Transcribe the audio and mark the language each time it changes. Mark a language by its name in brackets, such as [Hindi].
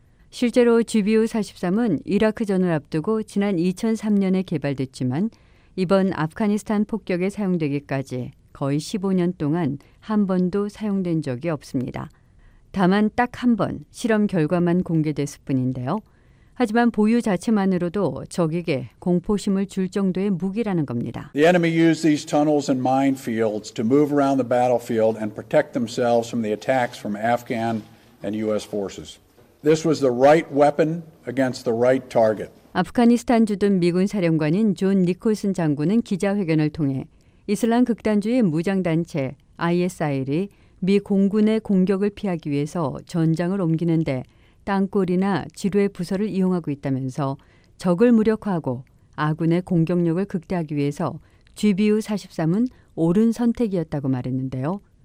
[Korean] 실제로 GBU-43은 이라크전을 앞두고 지난 2003년에 개발됐지만 이번 아프가니스탄 폭격에 사용되기까지 거의 15년 동안 한 번도 사용된 적이 없습니다. 다만 딱 한 번 실험 결과만 공개됐을 뿐인데요. 하지만 보유 자체만으로도 적에게 공포심을 줄 정도의 무기라는 겁니다. [English] The enemy used these tunnels and minefields to move around the battlefield and protect themselves from the attacks from Afghan and US forces. This was the right weapon against the right target. [Korean] 아프가니스탄 주둔 미군 사령관인 존 니콜슨 장군은 기자회견을 통해 이슬람 극단주의 무장단체 ISIL이 미 공군의 공격을 피하기 위해서 전장을 옮기는데 땅골이나 지뢰 부서를 이용하고 있다면서 적을 무력화하고 아군의 공격력을 극대화하기 위해서 GBU-43은 옳은 선택이었다고 말했는데요.